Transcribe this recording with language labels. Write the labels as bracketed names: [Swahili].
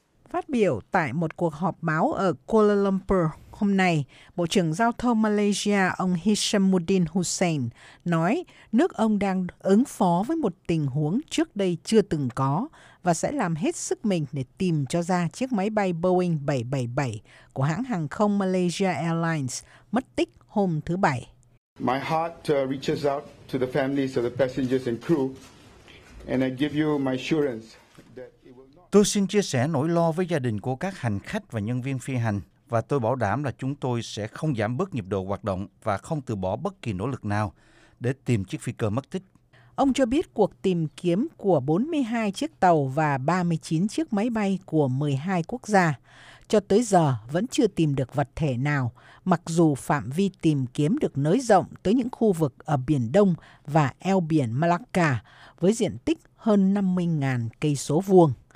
[Vietnamese] Phát biểu tại một cuộc họp báo ở Kuala Lumpur, hôm nay, Bộ trưởng Giao thông Malaysia ông Hishamuddin Hussein nói nước ông đang ứng phó với một tình huống trước đây chưa từng có và sẽ làm hết sức mình để tìm cho ra chiếc máy bay Boeing 777 của hãng hàng không Malaysia Airlines mất tích hôm thứ Bảy. [English] My heart reaches out to the families of the passengers and crew, and I give you my assurance that it will not... [Vietnamese] Tôi xin chia sẻ nỗi lo với gia đình của các hành khách và nhân viên phi hành. Và tôi bảo đảm là chúng tôi sẽ không giảm bớt nhịp độ hoạt động và không từ bỏ bất kỳ nỗ lực nào để tìm chiếc phi cơ mất tích. Ông cho biết cuộc tìm kiếm của 42 chiếc tàu và 39 chiếc máy bay của 12 quốc gia cho tới giờ vẫn chưa tìm được vật thể nào, mặc dù phạm vi tìm kiếm được nới rộng tới những khu vực ở Biển Đông và eo biển Malacca với diện tích hơn 50.000 cây số vuông.